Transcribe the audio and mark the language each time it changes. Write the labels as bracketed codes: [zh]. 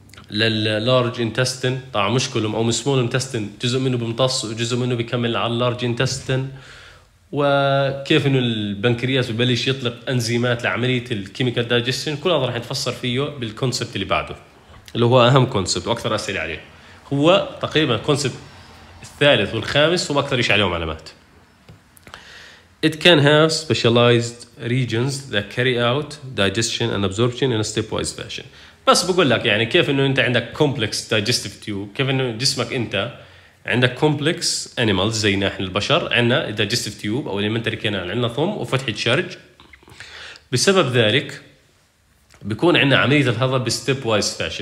[ar] لللارج انتستن طبعا مش كلهم أو من السمول انتستن جزء منه بمتص وجزء منه بيكمل على اللارج انتستن وكيف إنه البنكرياس ببلش يطلق أنزيمات لعملية الكيميكال داجستن كل هذا راح نتفسر فيه بالكونسبت اللي بعده اللي هو أهم كونسبت وأكثر أسئلة عليه هو تقريبا الكونسبت الثالث والخامس وأكثر إيش عليهم علامات. [en] It can have specialized regions that carry out digestion and absorption in a stepwise fashion. [ar] بس بقول لك يعني كيف إنه أنت عندك complex digestive tube كيف إنه جسمك أنت عندك complex animals زي نحن البشر عندنا digestive tube أو elementary canal عندنا ثم وفتحة شرج بسبب ذلك بيكون عندنا عملية الهضم stepwise fashion.